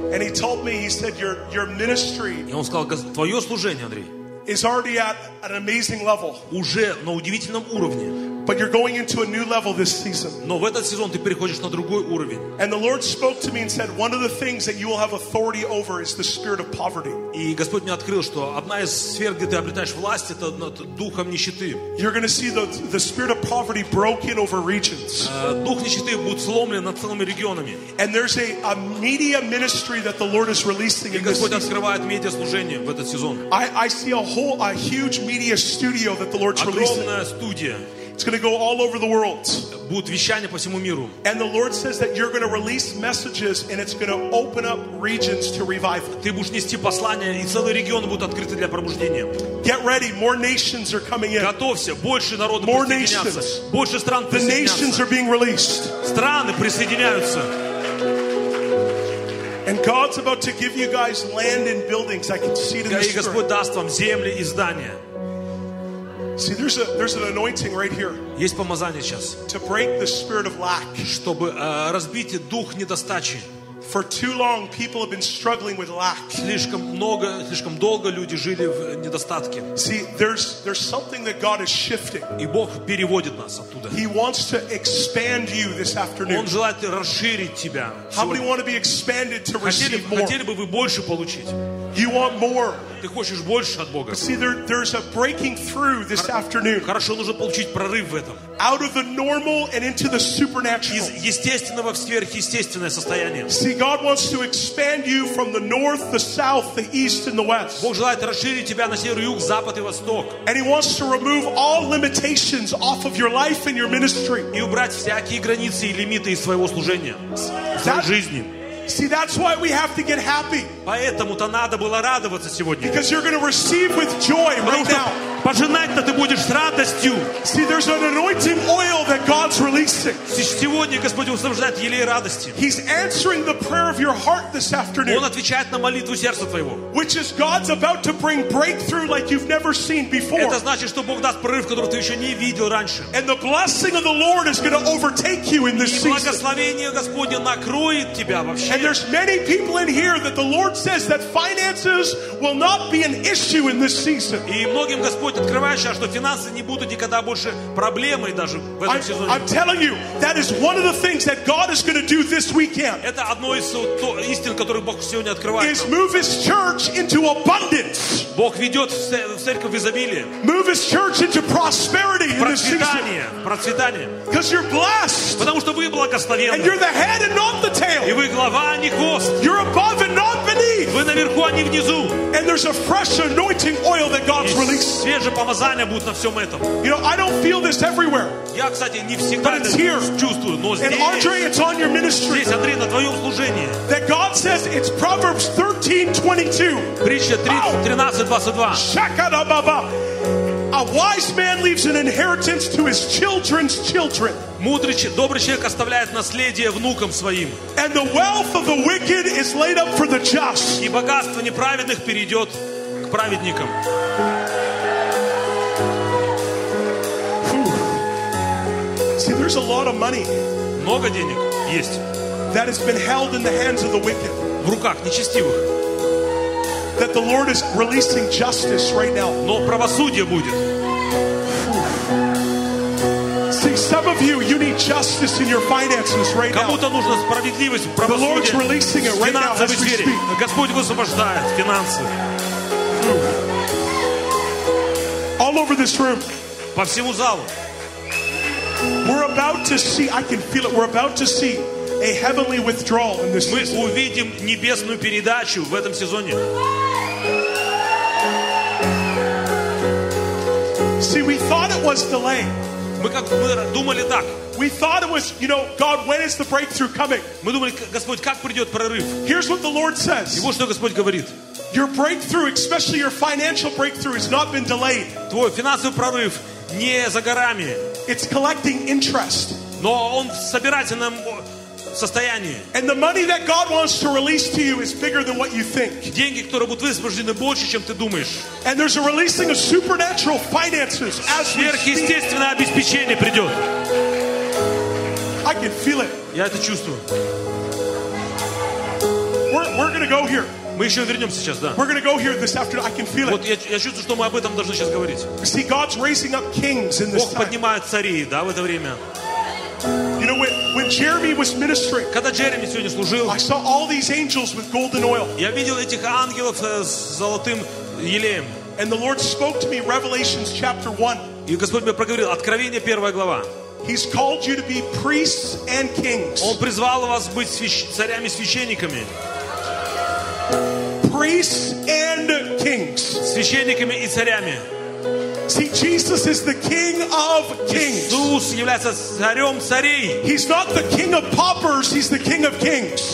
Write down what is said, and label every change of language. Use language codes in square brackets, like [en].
[en] And He told me, He said, your ministry. [ru] И он сказал, твое служение, Андрей. [en] Is already at an amazing level. [ru] Уже на удивительном уровне. [en] But you're going into a new level this season. [ru] Но в этот сезон ты переходишь на другой уровень. [en] And the Lord spoke to me and said, one of the things that you will have authority over is the spirit of poverty. [ru] И Господь мне открыл, что одна из сфер, где ты обретаешь власть, это над духом нищеты. [en] You're going to see the spirit of poverty broken over regions. [ru] Дух нищеты будет сломлен над целыми регионами. [en] And there's a media ministry that the Lord is releasing in this season. [ru] И Господь открывает медиаслужение в этот сезон. [en] I see a huge media studio that the Lord's releasing. [ru] Огромная студия. [en] It's going to go all over the world. [ru] Будет вещание по всему миру. [en] And the Lord says that you're going to release messages and it's going to open up regions to revival. [ru] Ты будешь нести послания, и целые регионы будут открыты для пробуждения. [en] Get ready, more nations are coming in. [ru] Готовься, больше народов будет присоединяться. [en] More nations. [ru] Больше стран присоединяются. [en] The nations are being released. [ru] Страны присоединяются. [en] And God's about to give you guys land and buildings. I can see it in the spirit. [ru] Господь даст вам земли и здания. [en] See, there's an anointing right here. [ru] Есть помазание сейчас. [en] To break the spirit of lack. [ru] Чтобы разбить дух недостачи. [en] For too long, people have been struggling with lack. [ru] Слишком долго люди жили в недостатке. [en] See, there's something that God is shifting. [ru] И Бог переводит нас оттуда. [en] He wants to expand you this afternoon. [ru] Он желает расширить тебя. [en] How many want to be expanded to receive more? [ru] Хотели бы вы больше получить? [en] You want more? [ru] Ты хочешь больше от Бога? [en] See, there's a breaking through this afternoon. [ru] Хорошо, нужно получить прорыв в этом. [en] Out of the normal and into the supernatural. [ru] Из естественного в сверхъестественное состояние. [en] See, God wants to expand you from the north, the south, the east, and the west. [ru] Бог желает расширить тебя на север, юг, запад и восток. [en] And He wants to remove all limitations off of your life and your ministry. [ru] И убрать всякие границы и лимиты из своего служения, своей жизни. [en] See, that's why we have to get happy. [ru] Поэтому-то надо было радоваться сегодня. [en] Because you're going to receive with joy right now. [ru] Пожинать-то ты будешь с радостью. [en] See, there's an anointing oil that God's releasing. [ru] Сегодня Господь высвобождает елей радости. [en] He's answering the prayer of your heart this afternoon. [ru] Он отвечает на молитву сердца твоего. [en] Which is God's about to bring breakthrough like you've never seen before. [ru] Это значит, что Бог даст прорыв, который ты еще не видел раньше. [en] And the blessing of the Lord is going to overtake you in this season. [ru] И благословение Господне накроет тебя вообще. [en] And there's many people in here that the Lord says that finances will not be an issue in this season. [ru] И многим Господь открывает сейчас, что финансы не будут никогда больше проблемой даже в этом сезоне. [en] I'm telling you, that is one of the things that God is going to do this weekend. [ru] Это одно из истин, которые Бог сегодня открывает. [en] Is move His church into abundance. [ru] Бог ведет церковь в изобилие. [en] Move His church into prosperity in this season. [ru] Процветание. [en] Because you're blessed. [ru] Потому что вы благословенны. [en] And you're the head and not the tail. [ru] И вы глава, а не хвост. [en] You're above and not beneath. beneath. [ru] Вы наверху, а не внизу. [en] And there's a fresh anointing oil that God's released. [ru] Свежее помазание будет на всем этом. [en] You know, I don't feel this everywhere. [ru] Я, кстати, не всегда это чувствую, но здесь. [en] And Andre, it's on your ministry. [ru] Здесь, Андрей, на твоем служении. [en] That God says it's Proverbs 13:22. [ru] Притча 13:22. [en] Shakadababa. A wise man leaves an inheritance to his children's children. [ru] Мудрый, добрый человек оставляет наследие внукам своим. [en] And the wealth of the wicked is laid up for the just. [ru] И богатство неправедных перейдет к праведникам. [en] See, there's a lot of money. [ru] Много денег есть. [en] That has been held in the hands of the wicked. [ru] В руках нечестивых. [en] That the Lord is releasing justice right now. [ru] Но правосудие будет. [en] See, some of you, you need justice in your finances right now. [ru] Кому-то нужна справедливость в правосудии. [en] The Lord's releasing it right now as we speak. [ru] Господь высвобождает финансы. [en] All over this room. [ru] По всему залу. [en] We're about to see. I can feel it. We're about to see a heavenly withdrawal in this. [ru] Мы увидим небесную передачу в этом сезоне. [en] See, we thought it was delay. [ru] Мы как мы думали так. [en] We thought it was, you know, God, when is the breakthrough coming? [ru] Мы думали, Господь, как придет прорыв? [en] Here's what the Lord says. [ru] И вот что Господь говорит. [en] Your breakthrough, especially your financial breakthrough, has not been delayed. [ru] Твой финансовый прорыв не за горами. [en] It's collecting interest. [ru] Но он в собирательном состоянии. [en] And the money that God wants to release to you is bigger than what you think. [ru] Деньги, которые будут высвобождены, больше, чем ты думаешь. [en] And there's a releasing of supernatural finances as we speak. [ru] Сверхъестественное обеспечение придет. [en] I can feel it. [ru] Я это чувствую. [en] We're gonna go here. [ru] Мы еще вернемся сейчас, да. [en] We're gonna go here this afternoon. I can feel it. [ru] Вот я чувствую, что мы об этом должны сейчас говорить. [en] See, God's raising up kings in this time. [ru] Бог поднимает царей, да, в это время. [en] You know, when Jeremy was ministering, [ru] когда Джереми сегодня служил, [en] I saw all these angels with golden oil. [ru] Я видел этих ангелов с золотым елеем. [en] And the Lord spoke to me, Revelations chapter 1. [ru] И Господь мне проговорил, Откровение, первая глава. [en] He's called you to be priests and kings. [ru] Он призвал вас быть царями и священниками. [en] Priests and kings. [ru] Священниками и царями. [en] See, Jesus is the King of Kings. [ru] Иисус является царем царей. [en] He's not the King of paupers. He's the King of Kings.